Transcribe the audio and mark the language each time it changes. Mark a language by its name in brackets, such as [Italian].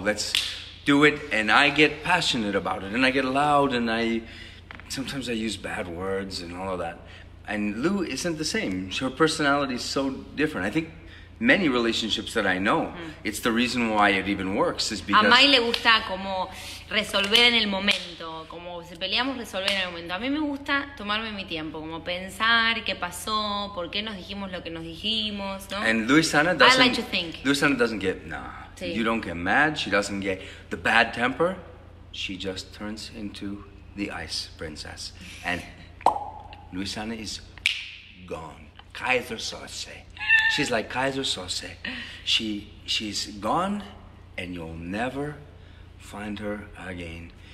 [English] Let's do it. And I get passionate about it, and I get loud, and I. Sometimes I use bad words and all of that. And Lu isn't the same. Her personality is so different. I think many relationships that I know, it's the reason why it even works is because [Spanish] a Mai le gusta como resolver en el momento, como si peleamos resolver en el momento. A mí me gusta tomarme mi tiempo, como pensar qué pasó, por qué nos dijimos lo que nos dijimos, ¿no? [English] And Luisana doesn't I like to think. Luisana doesn't get nah. [Spanish] Sí. [English] You don't get mad, she doesn't get the bad temper. She just turns into the ice princess, and Luisana is gone. Kaiser sauce. She's like Kaiser sauce. She's gone, and you'll never find her again.